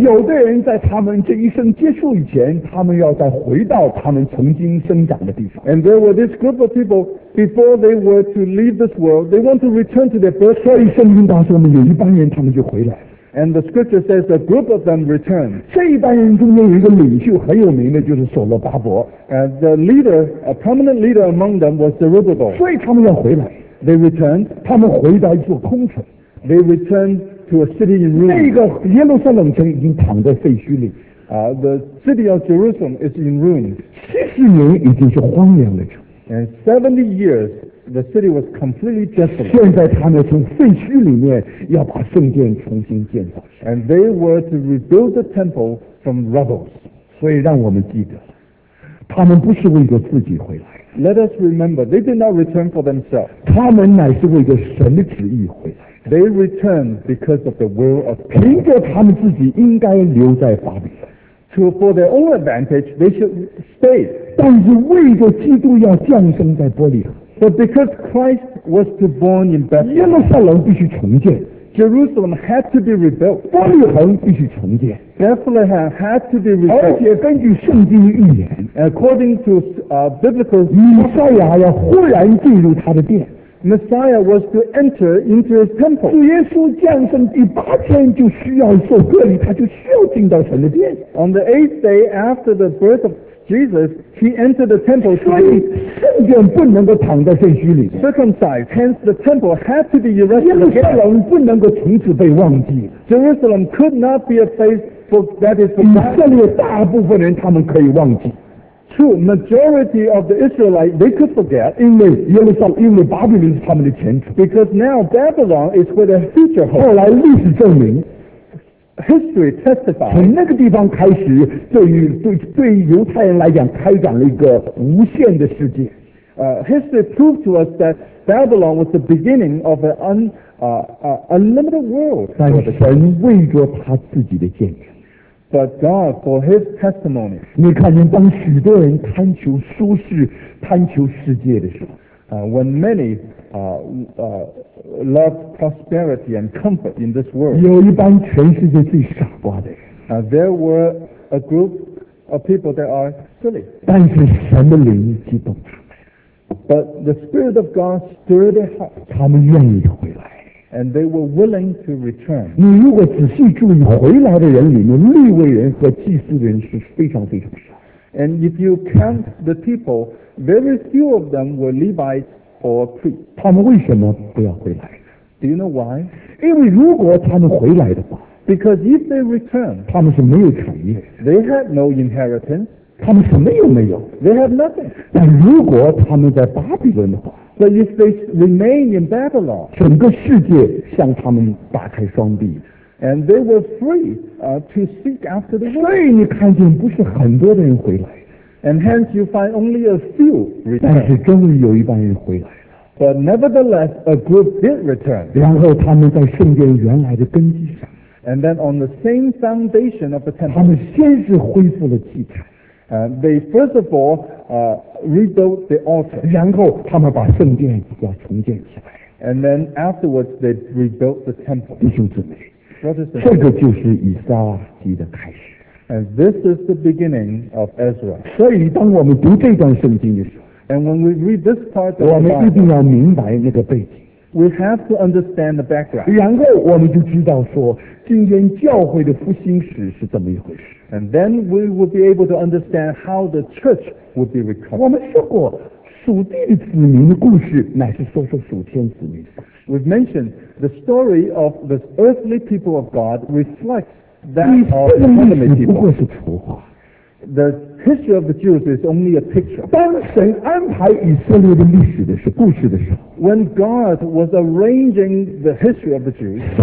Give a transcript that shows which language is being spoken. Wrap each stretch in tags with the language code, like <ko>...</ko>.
<zh>有的人在他们这一生结束以前，他们要再回到他们曾经生长的地方。</zh> <en>And there were this group of people, before they were to leave this world, they want to return to their birth.</en> <zh>所以圣经当中有一般人他们就回来。</zh> <en>And the scripture says a group of them returned.</en> <zh>这一班人中间有一个领袖很有名的，就是所罗巴伯。</zh> <en>And the leader, a prominent leader among them was Zerubbabel.</en> <zh>所以他们要回来。</zh> <en>They returned.</en> <zh>他们回到一座空城。</zh> <en>They returned to a city in ruins.</en> <zh>那个耶路撒冷城已经躺在废墟里。</zh> <en>The city of Jerusalem is in ruins.</en> <zh>70年已经是荒凉的城。</zh> <en>And 70 years. The city was completely desolate.</en> <zh>现在他们从废墟里面要把圣殿重新建造。</zh> <en>And they were to rebuild the temple from rubbles.</en> <zh>所以让我们记得，他们不是为着自己回来。</zh> <en>Let us remember, they did not return for themselves.</en> <zh>他们乃是为着神的旨意回来。</zh> <en>They returned because of the will of God.</en> <zh>凭着他们自己应该留在巴比伦。</zh> <en>To for their own advantage, they should stay.</en> <zh>但是为着基督要降生在伯利恒。</zh> <en>But because Christ was to be born in Bethlehem,</en> <zh>耶路撒冷必须重建。</zh> <en>Jerusalem had to be rebuilt.</en> <zh>伯利恒必须重建。</zh> <en>Bethlehem had to be rebuilt.</en> <zh>而且根据圣经预言，</zh> <en>according to biblical,</en> <zh>弥赛亚要忽然进入他的殿。</zh> <en>Messiah was to enter into his temple.</en> <zh>主耶稣降生第八天就需要受割礼，他就需要进到神的殿。</zh> <en>On the eighth day after the birth of Jesus, he entered the temple.</en> <zh>所以圣殿不能够躺在废墟里。</zh> <en>Circumcised, hence the temple had to be erected.</en> <zh>耶路撒冷不能够从此被忘记。</zh> <en>Jerusalem could not be a place that is forgotten.</en> <zh>以色列大部分人他们可以忘记。</zh> <en>True, majority of the Israelites, they could forget.</en> <zh>因为耶路撒冷，因为巴比伦是他们的前程。</zh> <en>Because now Babylon is where their future hope.</en> <zh>后来历史证明。</zh> <en>History testifies.</en> <zh>从那个地方开始，对犹太人来讲，开展了一个无限的世界。</zh> <en>History proved to us that Babylon was the beginning of an unlimited world.</en> <zh>但神为着他自己的见证。</zh> <en>But God for His testimony.</en> <zh>你看见当许多人贪求舒适、贪求世界的时候。</zh> <en>When many love prosperity and comfort in this world,</en> <zh>有一帮全世界最傻瓜的人。</zh> <en>There were a group of people that are silly.</en> <zh>但是神的灵激动他们。</zh> <en>But the Spirit of God stirred their hearts.</en> <zh>他们愿意回来。</zh> <en>And they were willing to return.</en> <zh>你如果仔细注意，回来的人里面，利未人和祭司的人是非常非常少。</zh> <en>And if you count the people, very few of them were Levites or priests.</en> <zh>他们为什么不要回来？</zh> <en>Do you know why?</en> <zh>因为如果他们回来的话，</zh> <en>Because if they return,</en> <zh>他们是没有产业。</zh> <en>They had no inheritance.</en> <zh>他们什么也没有。</zh> <en>They had nothing.</en> <zh>但如果他们在巴比伦的话，</zh> <en>But if they remain in Babylon,</en> <zh>整个世界向他们打开双臂。</zh> <en>And they were free, to seek after the world.</en> <zh>所以你看见不是很多的人回来。</zh> <en>And hence you find only a few return.</en> <zh>但是终于有一帮人回来了。</zh> <en>But nevertheless, a group did return.</en> <zh>然后他们在圣殿原来的根基上。</zh> <en>And then on the same foundation of the temple.</en> <zh>他们先是恢复了祭坛。</zh> <en>They first of all, rebuilt the altar.</en> <zh>然后他们把圣殿要重建起来。</zh> <en>And then afterwards they rebuilt the temple.</en> <zh>弟兄姊妹。这个就是以撒记的开始。</zh> <en>And this is the beginning of Ezra.</en> <zh>所以当我们读这段圣经的时候，</zh> <en>And when we read this part of the Bible,</en> <zh>我们一定要明白那个背景。</zh> <en>We have to understand the background.</en> <zh>然后我们就知道说，今天教会的复兴史是怎么一回事。</zh> <en>And then we will be able to understand how the church would be recovered.</en> <zh>我们说过，属地的子民的故事乃是说说属天子民的故事。</zh> <en>We've mentioned the story of the earthly people of God reflects that of the heavenly people. The history of the Jews is only a picture.</en> <zh>当神安排以色列的历史的时候，故事的时候，</zh> <en>When God was arranging the history of the Jews,</en>